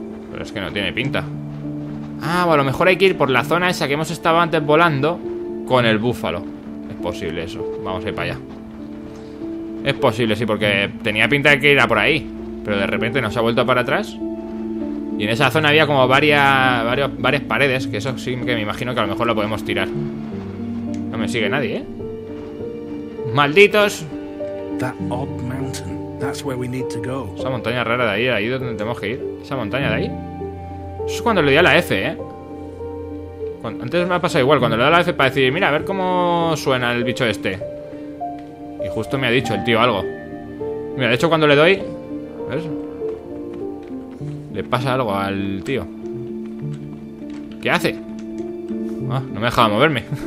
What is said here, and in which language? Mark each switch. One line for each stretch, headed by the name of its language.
Spanish: Pero es que no tiene pinta. Ah, o a lo mejor hay que ir por la zona esa que hemos estado antes volando con el búfalo. Es posible eso. Vamos a ir para allá. Es posible, sí, porque tenía pinta de que era por ahí. Pero de repente nos ha vuelto para atrás. Y en esa zona había como varias paredes. Que eso sí que me imagino que a lo mejor lo podemos tirar. No me sigue nadie, ¿eh? ¡Malditos!
English: That odd mountain, that's where we need to go.
Spanish: Esa montaña rara de ahí, ahí donde tenemos que ir. Esa montaña de ahí. Eso es cuando le di a la F, ¿eh? Antes me ha pasado igual, cuando le da la F para decir, mira, a ver cómo suena el bicho este. Y justo me ha dicho el tío algo. Mira, de hecho cuando le doy, ¿ves? Le pasa algo al tío. ¿Qué hace? Ah, no me dejaba moverme.